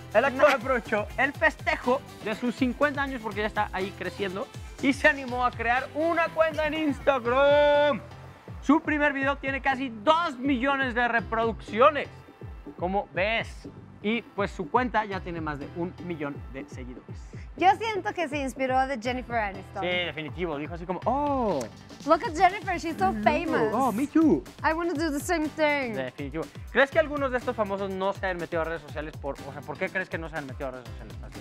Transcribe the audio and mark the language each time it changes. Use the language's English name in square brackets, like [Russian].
[Spanish] El actor aprovechó el festejo de sus 50 años porque ya está ahí creciendo y se animó a crear una cuenta en Instagram. Su primer video tiene casi 2 millones de reproducciones, como ves. Y pues su cuenta ya tiene más de 1 millón de seguidores. Yo siento que se inspiró de Jennifer Aniston. Sí, definitivo. Dijo así como, [English] look at Jennifer, she's so famous. Oh, me too. I want to do the same thing. [Spanish] Definitivo. ¿Crees que algunos de estos famosos no se han metido a redes sociales? ¿Por qué crees que no se han metido a redes sociales?